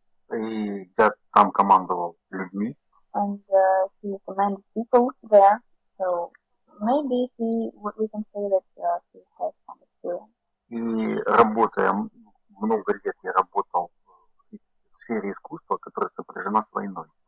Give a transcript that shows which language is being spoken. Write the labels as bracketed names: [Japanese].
[Russian] И дед там командовал людьми. [English] And he commanded people there, so maybe we can say that he has some experience. [Russian] И работая, много лет я работал в сфере искусства, которая сопряжена с войной.